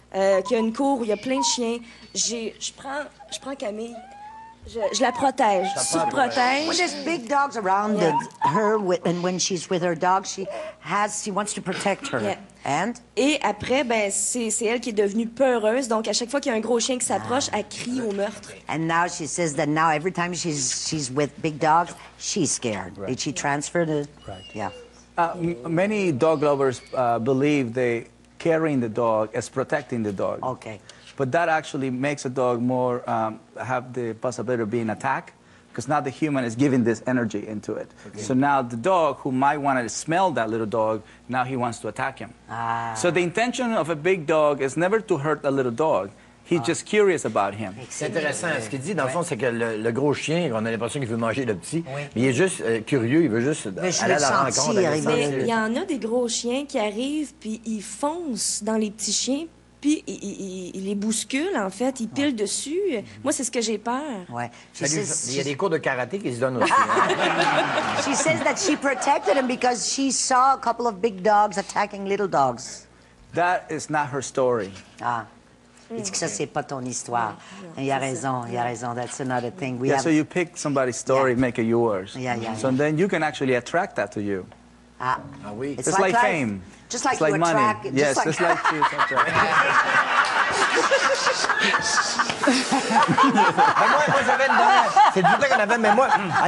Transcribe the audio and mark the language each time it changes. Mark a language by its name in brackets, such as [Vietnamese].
[French] Qu'il y a une cour où il y a plein de chiens, je prends Camille, je la protège, surprotège. [English] When there's big dogs around her, and when she's with her dog, she wants to protect her. Yeah. And? Et après, ben, c'est elle qui est devenue peureuse. Donc, à chaque fois qu'il y a un gros chien qui s'approche, elle crie au meurtre. And now she says that now every time she's with big dogs, she's scared. Right. Did she transfer the... Right. Yeah. Many dog lovers believe they carrying the dog as protecting the dog. Okay. But that actually makes a dog more have the possibility of being attacked, because now the human is giving this energy into it. Okay. So now the dog, who might want to smell that little dog, now he wants to attack him. Ah. So the intention of a big dog is never to hurt a little dog. He's just curious about him. [French] C'est intéressant. Ce qu'il dit, dans le fond, c'est que le gros chien, on a l'impression qu'il veut manger le petit, mais il est juste curieux, il veut juste aller à la rencontre. Mais il y en a des gros chiens qui arrivent, puis ils foncent dans les petits chiens, puis il les bouscule, en fait. Il pile dessus. Moi, c'est ce que j'ai peur. Ouais. Il y a des cours de karaté qui se donnent aussi. [English] She says that she protected him because she saw a couple of big dogs attacking little dogs. That is not her story. Ah. [French] Il dit que ça, c'est pas ton histoire. Non, il a raison, il a raison. [English] That's another thing. We so you pick somebody's story, make it yours. Yeah. So then you can actually attract that to you. Ah. [French] Ah oui. [English] It's like fame. Just like you money. Attract. Yes, just like you. [French] Moi, j'avais une dame. C'est du temps qu'on avait, mais moi...